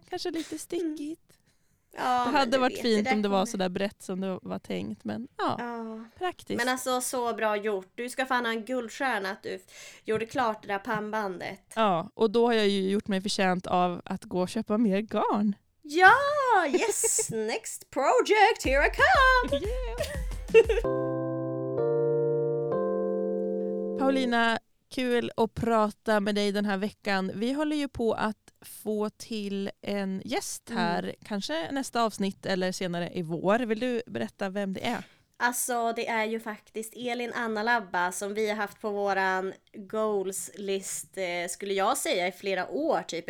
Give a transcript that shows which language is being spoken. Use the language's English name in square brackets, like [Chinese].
[Swedish] Kanske lite stickigt. Ja, det hade varit fint det om det var så där brett som det var tänkt. Men praktiskt. Men alltså, så bra gjort. Du ska fan ha en guldstjärna att du gjorde klart det där pannbandet. Ja, och då har jag ju gjort mig förtjänt av att gå och köpa mer garn. Ja, yes! [English] Next project, here I come! [Swedish] Paulina, kul att prata med dig den här veckan. Vi håller ju på att få till en gäst här, kanske nästa avsnitt eller senare i vår. Vill du berätta vem det är? Alltså, det är ju faktiskt Elin Annalabba som vi har haft på våran goals-list, skulle jag säga, i flera år typ.